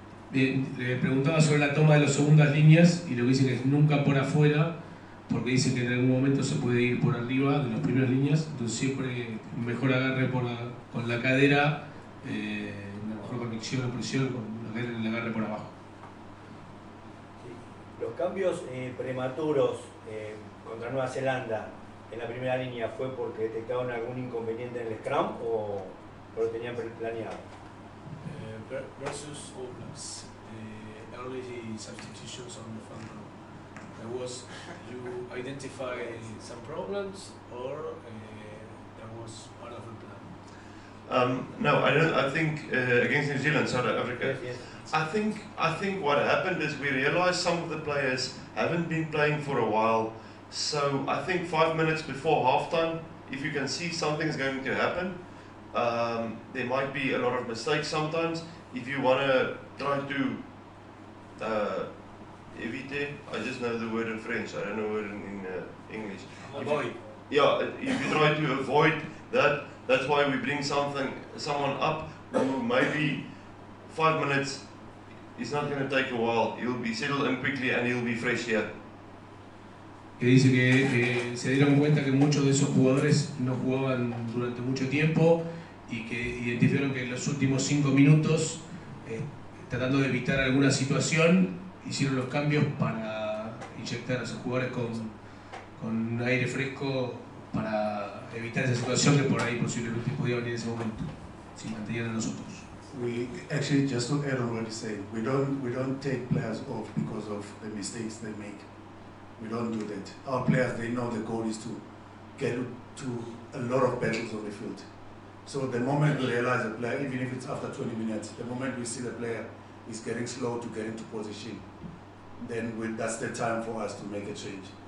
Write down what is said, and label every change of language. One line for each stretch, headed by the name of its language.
Spanish: Bien, le preguntaba sobre la toma de las segundas líneas y lo que dicen es nunca por afuera, porque dicen que en algún momento se puede ir por arriba de las primeras líneas, entonces siempre mejor agarre con la cadera, una mejor conexión o presión con la cadera, el agarre por abajo. ¿Los cambios prematuros contra Nueva Zelanda en la primera línea fue porque detectaron algún inconveniente en el scrum o lo tenían planeado?
English: Versus All Blacks, early substitutions on the front row. There was, you identify some problems or that was part of the plan? No, I think against New Zealand, South Africa. Yes. I think what happened is we realized some of the players haven't been playing for a while. So I think 5 minutes before halftime, if you can see something's going to happen, there might be a lot of mistakes sometimes. If you want to try to éviter, I just know the word in French, I don't know the word in English. Avoid. If you try to avoid that, that's why we bring someone up who maybe 5 minutes. It's not going to take a while. He'll be settled in quickly and he'll be fresh here.
Spanish: Que dice que se dieron cuenta que muchos de esos jugadores no jugaban durante mucho tiempo y que identificaron que en los últimos 5 minutos, tratando de evitar alguna situación, hicieron los cambios para inyectar a esos jugadores con aire fresco para evitar esa situación que por ahí posiblemente podía venir en ese momento, si mantenían a nosotros.
English: We actually just to add on what you say, we don't take players off because of the mistakes they make. We don't do that. Our players, they know the goal is to get to a lot of battles on the field. So the moment we realize a player, even if it's after 20 minutes, the moment we see the player is getting slow to get into position, then that's the time for us to make a change.